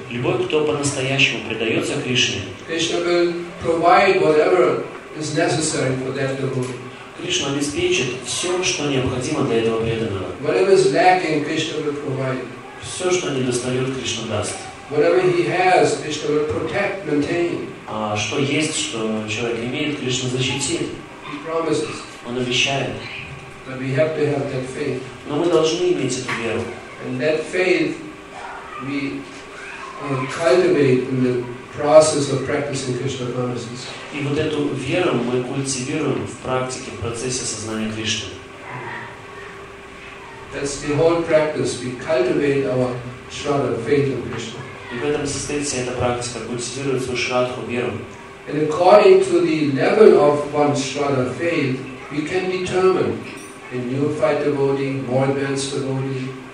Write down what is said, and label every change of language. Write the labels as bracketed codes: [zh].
[ru] любой, кто по-настоящему предается Кришне, [en] Krishna will provide whatever is necessary for that devotee. [ru] Кришна обеспечит все, что необходимо для этого преданного. [en] Whatever is lacking, Krishna will provide. [ru] Все, что недостает, Кришна даст. [en] Whatever he has, Krishna will protect, maintain. [ru] А что есть, что человек имеет, Кришна защитит. [en] He promises. [ru] Он обещает. [en] But we have to have that faith. [ru] Но мы должны иметь эту веру. [en] And that faith we cultivate in the process of practicing Krishna consciousness. [ru] И вот эту веру мы культивируем в практике, в процессе сознания Кришны. [en] That's the whole practice. We cultivate our shraddha, faith in Krishna. [ru] И в этом состоит вся эта практика, культивирует свою шраддху, веру. [en] And according to the level of one's shraddha, faith, we can determine a neophyte devotee, more advanced devotee.